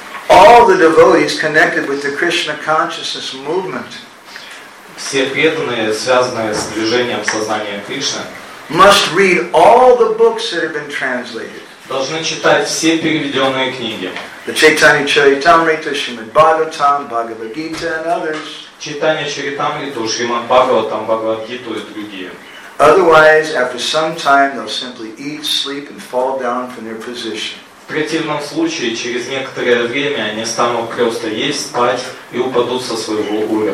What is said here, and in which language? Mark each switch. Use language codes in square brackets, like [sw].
[en] All the devotees connected with the Krishna consciousness movement. [ru] Все преданные, связанные с движением сознания Кришны, [en] must read all the books that have been translated. [ru] Должны читать все переведенные книги. [en] The Chaitanya Charitamrita, Shrimad Bhagavatam, Bhagavad Gita and others. [ru] Читание Чаритамриту, Шримад Бхагаватам, Бхагавад Гиту и другие. [en] Otherwise, after some time, they'll simply eat, sleep and fall down from their position. [ru] В противном случае, через некоторое время они станут просто есть, спать и упадут со своего